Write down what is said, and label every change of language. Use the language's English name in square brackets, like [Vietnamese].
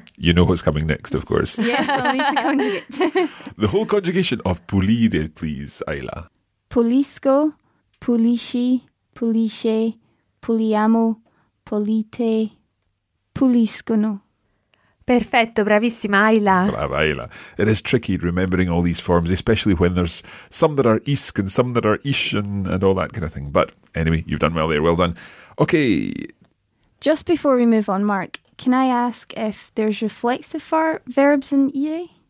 [English] You know what's coming next, of course. Yes, I'll need to conjugate. The whole conjugation of pulire, please, Ayla. [Italian] Pulisco, pulisci, pulisce, puliamo, pulite... Puliscono. Perfetto, bravissima Ayla. Brava Ayla. [English] It is tricky remembering all these forms, especially when there's some that are isk and some that are ish and all that kind of thing. But anyway, you've done well there. Well done. Okay. Just before we move on, Mark, can I ask if there's reflexive verbs in ire?